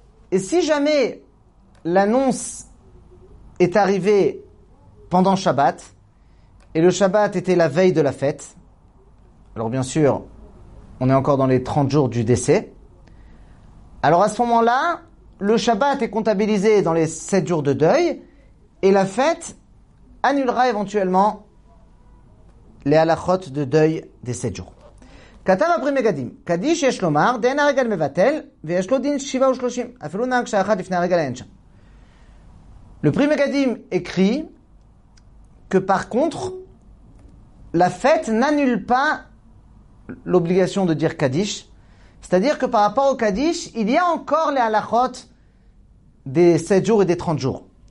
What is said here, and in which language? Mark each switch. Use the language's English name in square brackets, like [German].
[French] Et si jamais l'annonce est arrivée pendant Shabbat, et le Shabbat était la veille de la fête, alors bien sûr, on est encore dans les 30 jours du décès, alors à ce moment-là, le Shabbat est comptabilisé dans les 7 jours de deuil, et la fête annulera éventuellement les halakhot de deuil des 7 jours. [Hebrew] כתב הפרי מגדים, קדיש יש לומר, דין הרגל מבטל, ויש לו דין שבעה ושלושים, אפילו נהג שעה אחת לפני הרגל אין שם. [French] Le prix Megadim écrit que par contre, la fête n'annule pas l'obligation de dire Kaddish, c'est-à-dire que par rapport au Kaddish, il y a encore les halakhot des 7 jours et des 30 jours.